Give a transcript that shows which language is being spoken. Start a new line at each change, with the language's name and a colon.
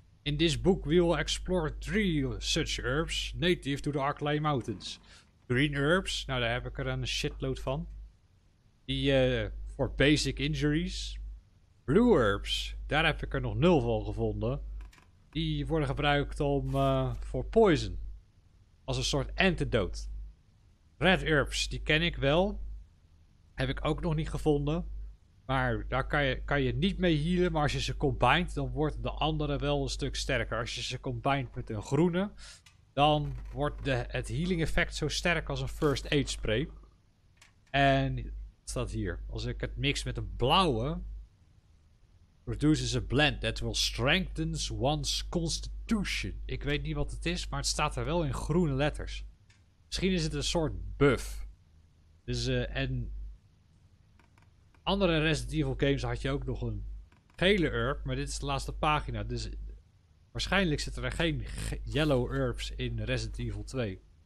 English: In this book we will explore three such herbs native to the Arklay Mountains.
Dutch: Green herbs, nou daar heb ik er een shitload van. Die
English: for basic injuries.
Dutch: Blue herbs, daar heb ik er nog nul van gevonden. Die worden gebruikt om voor poison. Als een soort antidote. Red herbs, die ken ik wel. Heb ik ook nog niet gevonden. Maar daar kan je niet mee healen. Maar als je ze combined, dan wordt de andere wel een stuk sterker. Als je ze combined met een groene, dan wordt het healing effect zo sterk als een first aid spray. En wat staat hier? Als ik het mix met een blauwe...
English: produces a blend that will strengthen one's constitution.
Dutch: Ik weet niet wat het is, maar het staat er wel in groene letters. Misschien is het een soort buff. Dus en andere Resident Evil games had je ook nog een gele herb, maar dit is de laatste pagina. Dus waarschijnlijk zitten er geen yellow herbs in Resident Evil 2.